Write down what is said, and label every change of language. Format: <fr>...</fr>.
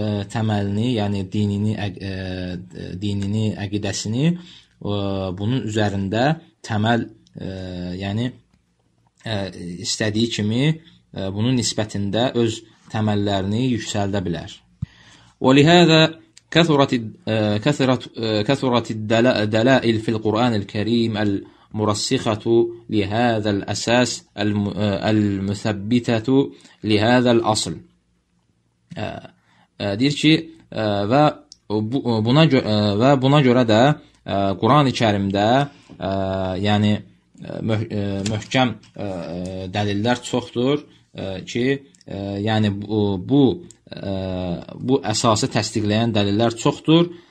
<az>təməlini, yəni dinini, dinini, əqidəsini bunun üzərində təməl, yəni istədiyi kimi bunun nisbətində öz təməllərini yüksəldə bilər.</az> <ar>ولهذا كثرت كثرت كثرت الدلائل في القرآن الكريم المرسخة لهذا الأساس المثبتة لهذا الأصل.</ar> <az>Deyir ki, və buna görə, və buna görə də Qur'an-ı Kerimdə yəni möhkəm dəlillər çoxdur ki, yəni bu əsası təsdiqləyən dəlillər çoxdur.</az>